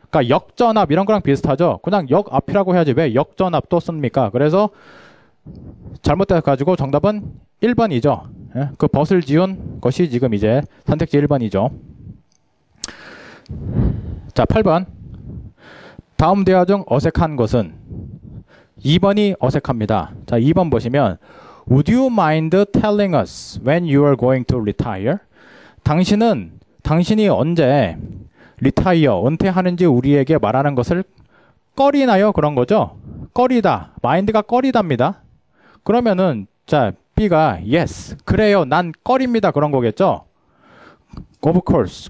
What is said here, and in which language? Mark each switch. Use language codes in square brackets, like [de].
[ko] 그러니까 역전압, 이런 거랑 비슷하죠? 그냥 역앞이라고 해야지. 왜 역전압 또 씁니까? 그래서, 잘못돼가지고 정답은 1번이죠. 예? 그 벗을 지운 것이 지금 이제 선택지 1번이죠. 자, 8번. 다음 대화 중 어색한 것은? 2번이 어색합니다. 자, 2번 보시면, [en] Would you mind telling us when you are going to retire? [ko] 당신이 언제 리타이어, 은퇴하는지 우리에게 말하는 것을 꺼리나요? 그런 거죠? 꺼리다. 마인드가 꺼리답니다. 그러면은, 자, B가, yes, 그래요, 난 꺼립니다. 그런 거겠죠? [en] Of course.